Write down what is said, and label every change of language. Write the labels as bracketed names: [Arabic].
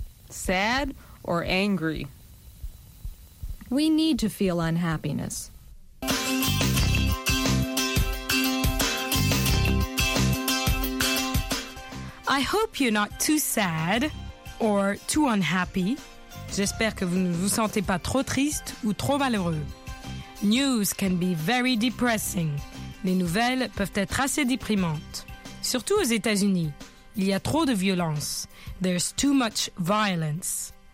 [English] Sad or angry? We need to feel unhappiness. I hope you're not too sad or too unhappy. [French] J'espère que vous ne vous sentez pas trop triste ou trop malheureux. [English] News can be very depressing. [French] Les nouvelles peuvent être assez déprimantes. Surtout aux États-Unis. Il y a trop de violence. [English] There's too much violence.